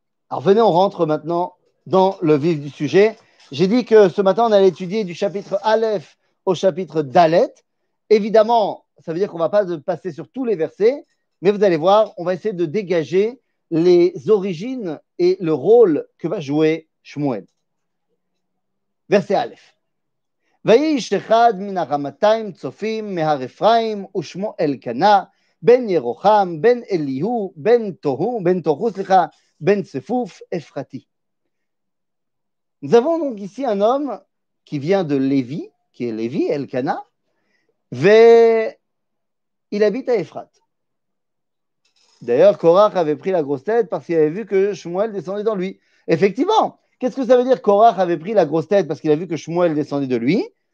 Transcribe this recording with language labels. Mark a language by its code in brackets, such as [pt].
[fr] Alors venez, on rentre maintenant dans le vif du sujet. J'ai dit que ce matin, on allait étudier du chapitre Aleph au chapitre Dalet. Évidemment, ça veut dire qu'on ne va pas passer sur tous les versets, mais vous allez voir, on va essayer de dégager les origines et le rôle que va jouer Shmuel. Verset Aleph. [he] ויש אחד מן הרמתיים צופים מהר אפרים ושמו אלקנה בן ירוחם בן אליהו בן תוהו בן תוהו סליחה בן צפוף אפרתי. [fr] Nous avons donc ici un homme qui vient de Lévi, qui est Lévi, Elkana, Il habite à Ephrat. D'ailleurs, Korach avait pris la grosse tête parce qu'il avait vu que Shmuel descendait dans lui. Effectivement, qu'est-ce que ça veut dire Korach avait pris la grosse tête parce qu'il a vu que Shmuel descendait de lui?